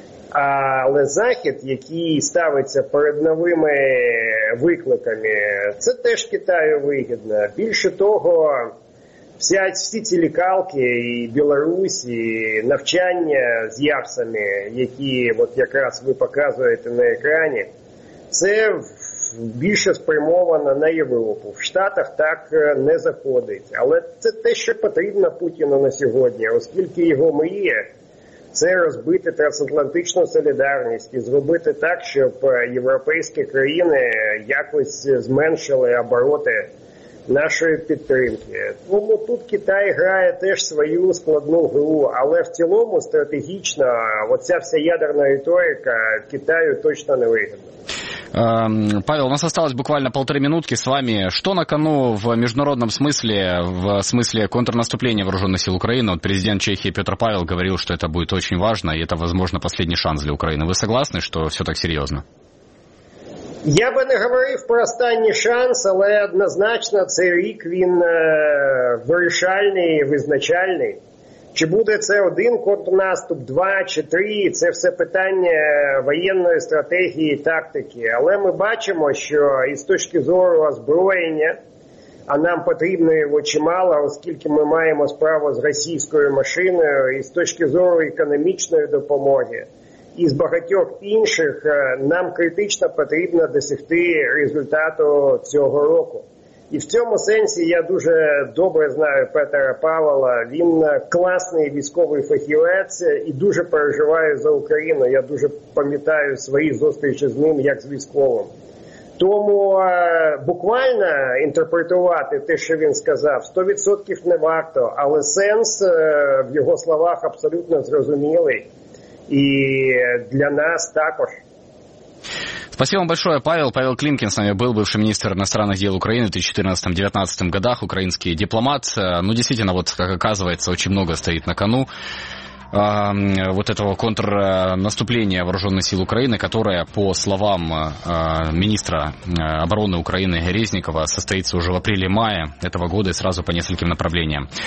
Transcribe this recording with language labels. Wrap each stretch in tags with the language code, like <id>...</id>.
<uk>Але Захід, який ставиться перед новими викликами, це теж Китаю вигідно. Більше того, всі ці лікалки і Білорусь, і навчання з ЯРСами, які от якраз ви показуєте на екрані, це більше спрямовано на Європу. В Штатах так не заходить. Але це те, що потрібно Путіну на сьогодні, оскільки його мріє це розбити трансатлантичну солідарність і зробити так, щоб європейські країни якось зменшили обороти нашої підтримки. Тому тут Китай грає теж свою складну гру, але в цілому стратегічно оця вся ядерна риторика Китаю точно не вигідна.</uk> <ru>Павел, у нас осталось буквально полторы минутки с вами. Что на кону в международном смысле, в смысле контрнаступления вооруженных сил Украины? Вот президент Чехии Петр Павел говорил, что это будет очень важно, и это, возможно, последний шанс для Украины. Вы согласны, что все так серьезно? Я бы не говорил</ru> <uk>про останній шанс, але однозначно цей рік він вирішальний, визначальний. Чи буде це один контрнаступ, два чи три, це все питання воєнної стратегії і тактики. Але ми бачимо, що із точки зору озброєння, а нам потрібно його чимало, оскільки ми маємо справу з російською машиною, і з точки зору економічної допомоги, із багатьох інших, нам критично потрібно досягти результату цього року. І в цьому сенсі я дуже добре знаю Петера Павла. Він класний військовий фахівець і дуже переживає за Україну. Я дуже пам'ятаю свої зустрічі з ним як з військовим. Тому буквально інтерпретувати те, що він сказав, 100% не варто. Але сенс в його словах абсолютно зрозумілий. І для нас також.</uk> <ru>Спасибо вам большое, Павел. Павел Климкин с нами был, бывший министр иностранных дел Украины в 2014-2019 годах, украинский дипломат. Ну, действительно, вот как оказывается, очень много стоит на кону вот этого контрнаступления вооруженных сил Украины, которое, по словам министра обороны Украины Резникова, состоится уже в апреле-мае этого года и сразу по нескольким направлениям.</ru>